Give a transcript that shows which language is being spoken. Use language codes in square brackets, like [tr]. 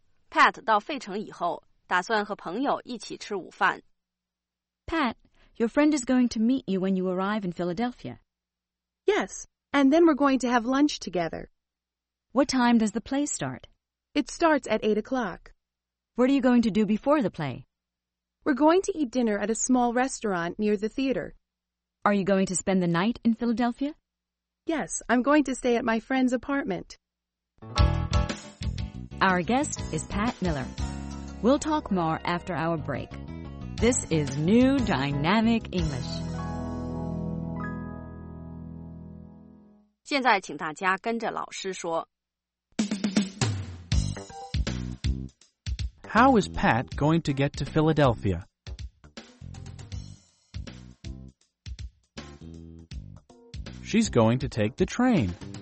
[zh] Pat 到费城以后打算和朋友一起吃午饭。 [en] Pat, your friend is going to meet you when you arrive in Philadelphia. Yes, and then we're going to have lunch together. What time does the play start? It starts at 8 o'clock. What are you going to do before the play? We're going to eat dinner at a small restaurant near the theater. Are you going to spend the night in Philadelphia? Yes, I'm going to stay at my friend's apartment. Our guest is Pat Miller. We'll talk more after our break. This is New Dynamic English. [zh] 现在请大家跟着老师说。 [en] How is Pat going to get to Philadelphia? She's going to take the train.